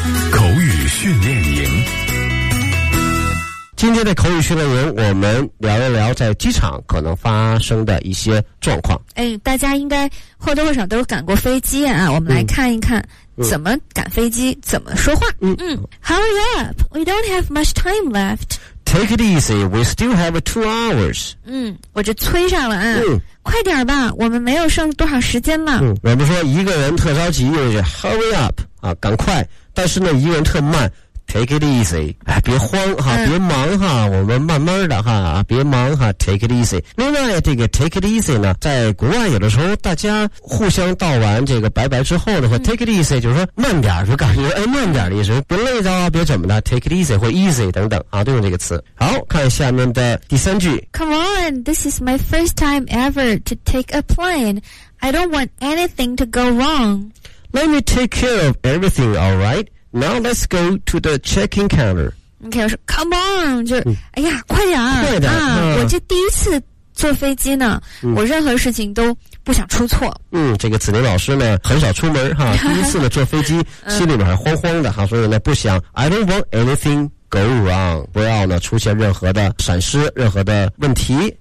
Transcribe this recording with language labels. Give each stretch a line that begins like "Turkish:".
Chinese: 口语训练营，今天的口语训练营我们聊一聊在机场可能发生的一些状况。哎，大家应该或多或少都赶过飞机啊，我们来看一看怎么赶飞机，怎么说话。
English: Hurry up, we don't have much time left. Take it easy, we still have 2 hours.
Chinese: 我就催上了啊，快点吧，我们没有剩多少时间了。我们说一个人特着急就是
English: hurry up
Chinese: 啊，赶快，但是呢一个人特慢，
English: Take it easy，
Chinese: 哎，别慌哈，别忙哈，我们慢慢的哈，别忙哈 ，Take it easy。另外，这个
English: Take it easy
Chinese: 呢，在国外有的时候，大家互相道完这个拜拜之后呢，会 Take it easy， 就是说慢点，就感觉哎慢点的意思，别累着啊，别怎么的 ，
English: Take it easy 或 easy
Chinese: 等等啊，都用这个词。好看下面的第三句
English: ，Come on， this is my first time ever to take a plane， I don't want anything to go wrong。 Let me take care of everything， all right。 Now let's go to the check-in counter.
Chinese: OK, 我说
English: come on,
Chinese: 就哎呀快点儿，快点啊，我这第一次坐飞机呢，我任何事情都不想出错。这个子宁老师呢很少出门哈，第一次呢坐飞机心里面还慌慌的哈，所以呢不想
English: I don't want anything go wrong，
Chinese: 不要呢出现任何的闪失，任何的问题。